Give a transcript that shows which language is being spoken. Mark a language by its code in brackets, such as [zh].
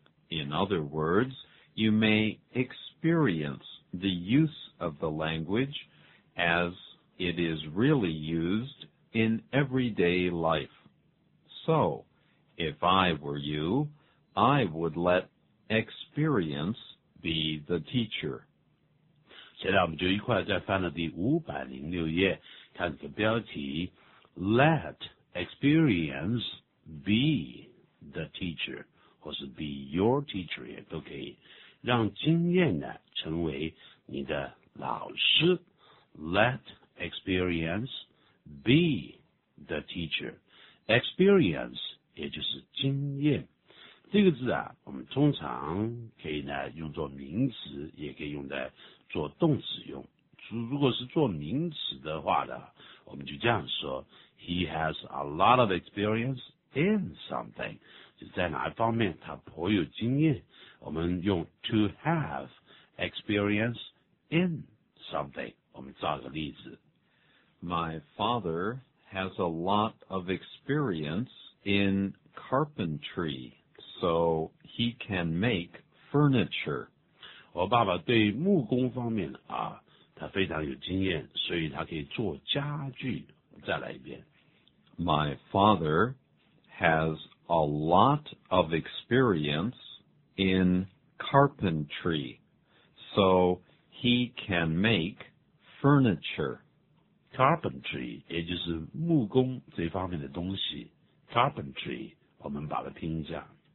[en] In other words, you may experience the use of the language as it is really used in everyday life. So, if I were you, I would let experience be the teacher. [zh] 现在我们就一块再翻到第506页，看这个标题 [en] Let experience be the teacher, [zh] 或是 [en] be your teacher [zh] 也都可以，让经验呢成为你的老师。 [en] Let experience be the teacher. [zh] Experience 也就是经验，这个字啊，我们通常可以呢用作名词，也可以用在做动词用。如果是做名词的话呢，我们就这样说 ： [en] He has a lot of experience in something， [zh] 就在哪一方面他颇有经验。我们用 [en] to have experience in something， [zh] 我们造个例子 [en] ：My father. Has a lot of experience in carpentry, so he can make furniture. [zh] 我爸爸对木工方面啊，他非常有经验，所以他可以做家具。再来一遍。 [en] My father has a lot of experience in carpentry, so he can make furniture. [zh] Carpentry, 也就是木工这方面的东西。 Carpentry, 我们把它拼一下。